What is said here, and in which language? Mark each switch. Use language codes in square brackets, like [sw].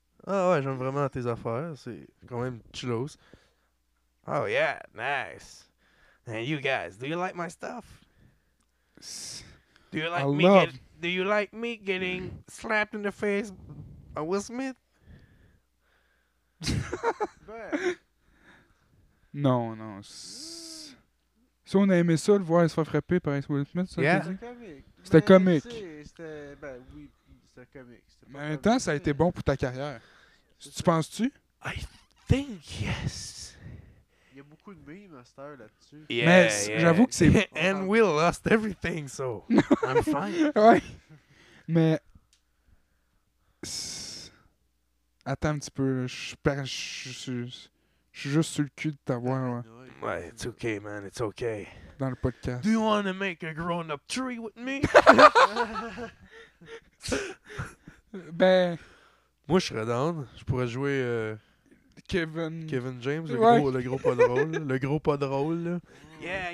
[fr] Ah ouais, j'aime vraiment tes affaires. C'est quand même chillos. [en] Oh yeah, nice. And you guys, do you like my stuff? Do you like do you like me getting slapped in the face by Will Smith? [fr] Non, non. Si on aimait ça, le voir se faire frapper par Will Smith, ça, [en] yeah. [fr] C'était comique. C'était comique. Mais en même temps, ça a été bon pour ta carrière. Tu penses-tu? [en] I think yes. [fr] Il y a beaucoup de memes à cette heure là-dessus. Yeah, mais yeah. J'avoue que c'est... [en] And Will lost everything, so I'm fine. [fr] Ouais. Mais... Attends un petit peu. Je suis juste sur le cul de t'avoir. Ouais. Ouais, [en] it's okay, man. It's okay. [fr] Dans le podcast. [en] Do you want to make a grown-up tree with me? Ben... [fr] Moi, je serais down. Je pourrais jouer... Kevin James, le gros pas drôle. Le gros pas drôle, là.